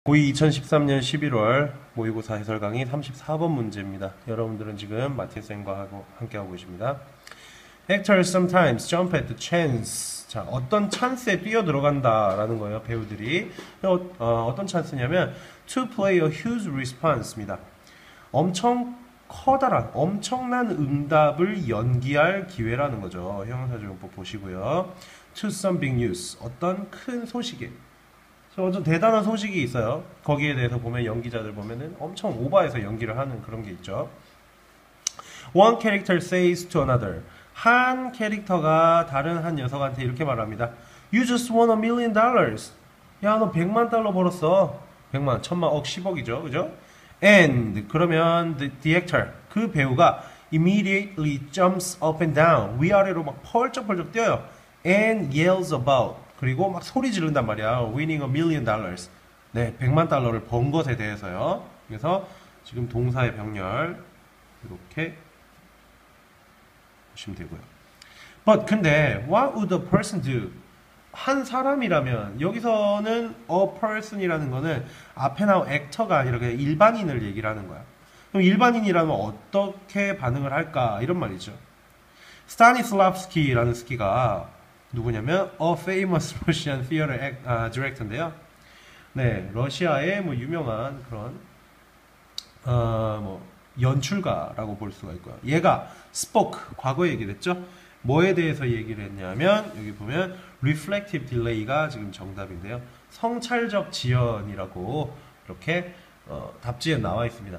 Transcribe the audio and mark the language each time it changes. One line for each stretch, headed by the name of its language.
Korean: 고2 2013년 11월 모의고사 해설 강의 34번 문제입니다. 여러분들은 지금 마틴쌤과 함께하고 계십니다.
English: Actors sometimes jump at the chance.
Korean: 자, 어떤 찬스에 뛰어들어간다라는 거예요, 배우들이. 어떤 찬스냐면,
English: to play a huge response
Korean: 입니다. 엄청 커다란, 엄청난 응답을 연기할 기회라는 거죠. 형용사적용법 보시고요.
English: To some big news.
Korean: 어떤 큰 소식에. 완전 대단한 소식이 있어요. 거기에 대해서 보면 연기자들 보면은 엄청 오버해서 연기를 하는 그런 게 있죠.
English: One character says to another.
Korean: 한 캐릭터가 다른 한 녀석한테 이렇게 말합니다.
English: You just won $1,000,000.
Korean: 야, 너 100만 달러 벌었어. 100만, 1000만, 억, 10억이죠. 그죠?
English: And,
Korean: 그러면
English: the actor,
Korean: 그 배우가
English: immediately jumps up and down.
Korean: 위아래로 막 펄쩍펄쩍 뛰어요.
English: And yells about.
Korean: 그리고 막 소리 지른단 말이야.
English: Winning $1,000,000.
Korean: 네, 100만 달러를 번 것에 대해서요. 그래서 지금 동사의 병렬 이렇게 보시면 되고요.
English: But
Korean: 근데
English: what would a person do?
Korean: 한 사람이라면 여기서는 a person이라는 거는 앞에 나온 actor가 이렇게 일반인을 얘기를 하는 거야. 그럼 일반인이라면 어떻게 반응을 할까? 이런 말이죠. Stanislavski라는 스키가 누구냐면
English: A famous Russian theater director
Korean: 인데요. 네, 러시아의 뭐 유명한 그런 뭐 연출가라고 볼 수가 있고요. 얘가 spoke 과거 얘기를 했죠. 뭐에 대해서 얘기를 했냐면 여기 보면 reflective delay가 지금 정답인데요. 성찰적 지연이라고 이렇게 답지에 나와 있습니다.